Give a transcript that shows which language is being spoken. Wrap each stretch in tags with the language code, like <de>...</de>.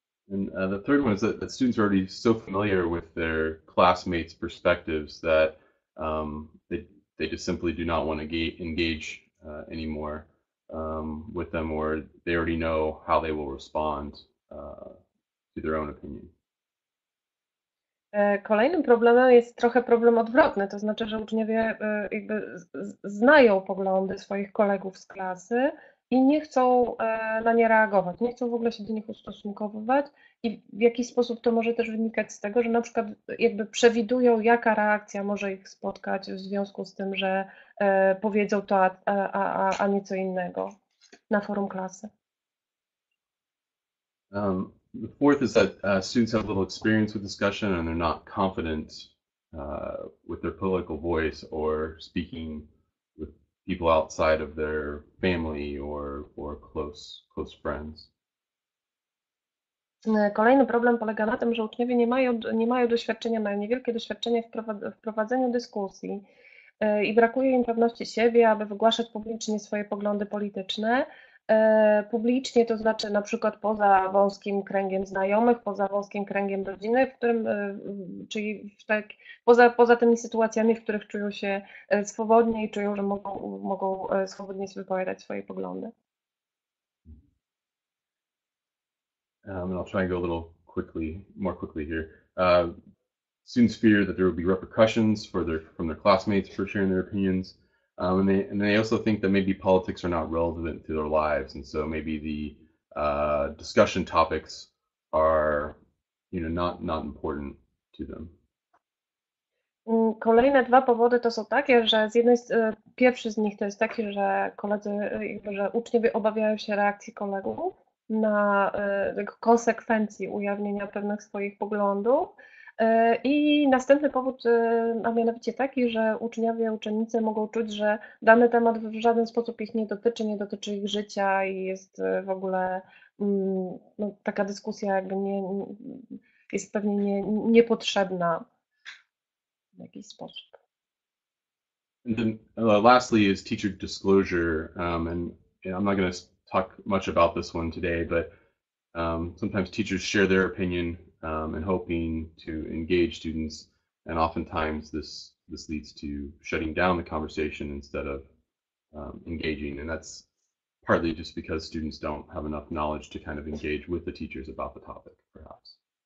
<en>And the third one is that students are already so familiar with their classmates' perspectives that they just simply do not want to engage anymore with them, or they already know how they will respond to their own opinion.</en> <pl>Kolejnym problemem jest trochę problem odwrotny, to znaczy, że uczniowie jakby znają poglądy swoich kolegów z klasy i nie chcą na nie reagować, nie chcą w ogóle się do nich ustosunkowywać i w jakiś sposób to może też wynikać z tego, że na przykład jakby przewidują, jaka reakcja może ich spotkać w związku z tym, że powiedzą to, a nie co innego na forum klasy.</pl> <en>The fourth is that students have little experience with discussion and they're not confident with their political voice or speaking people outside of their family or close friends.</en> <pl>Kolejny problem polega na tym, że uczniowie nie mają doświadczenia, mają niewielkie doświadczenie w prowadzeniu dyskusji i brakuje im pewności siebie, aby wygłaszać publicznie swoje poglądy polityczne. Publicznie, to znaczy na przykład poza wąskim kręgiem znajomych, poza wąskim kręgiem rodziny, w którym, czyli w tak, poza tymi sytuacjami, w których czują się swobodnie i czują, że mogą swobodnie się wypowiadać swoje poglądy.</pl> <en>I'll try and go a little quickly, more quickly here. Students fear that there will be repercussions from their classmates for sharing their opinions. And they also think that maybe politics are not relevant to their lives, and so maybe the discussion topics are, not important to them.</en> <pl>Kolejne dwa powody to są takie, że pierwszy z nich to jest taki, że uczniowie obawiają się reakcji kolegów na konsekwencji ujawnienia pewnych swoich poglądów. I następny powód, a mianowicie taki, że uczniowie, uczennice mogą czuć, że dany temat w żaden sposób ich nie dotyczy, nie dotyczy ich życia i jest w ogóle taka dyskusja jakby nie jest pewnie nie, niepotrzebna w jakiś sposób.</pl> <en>And then, lastly is teacher disclosure, and I'm not going to talk much about this one today, but sometimes teachers share their opinion and hoping to engage students, and oftentimes this leads to shutting down the conversation instead of engaging, and that's partly just because students don't have enough knowledge to kind of engage with the teachers about the topic, perhaps.</en>